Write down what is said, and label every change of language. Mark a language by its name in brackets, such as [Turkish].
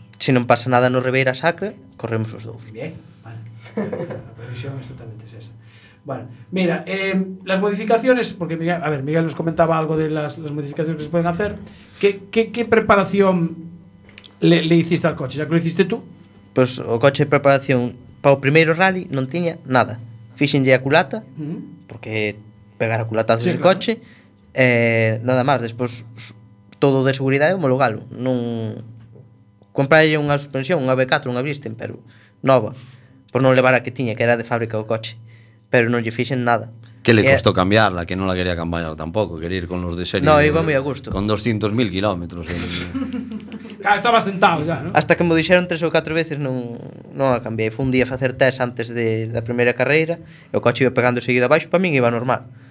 [Galician] Si non pasa nada no Ribeira Sacra, corremos os dous. Bien, vale. A previsión exactamente é esa. [Spanish] Bueno, mira, las modificaciones, porque Miguel, a ver, Miguel nos comentaba algo de las modificaciones que se poden hacer. Que preparación le hiciste al coche, xa que lo hiciste tú? [Galician] Pues o coche de preparación para o primeiro rally non tiña nada. Fixenlle a culata, uh-huh, porque pegar a culata desde, sí, claro, coche, nada máis, despois todo de seguridade homologalo. Non compraille unha suspensión, unha V4, unha Bristen, pero nova, por non levar a que tiña, que era de fábrica o coche, pero non lle fixen nada. [Spanish] Que le costó cambiarla, que no la quería cambiar tampoco, quería ir con los de serie. No, iba muy a gusto. Con 200.000 kilómetros. Estaba sentado ya, ¿no? Hasta que me dijeron 3 o 4 veces, no la cambié. Fue un día a hacer test antes de la primera carrera, el coche iba pegando seguido abajo, para mí iba normal.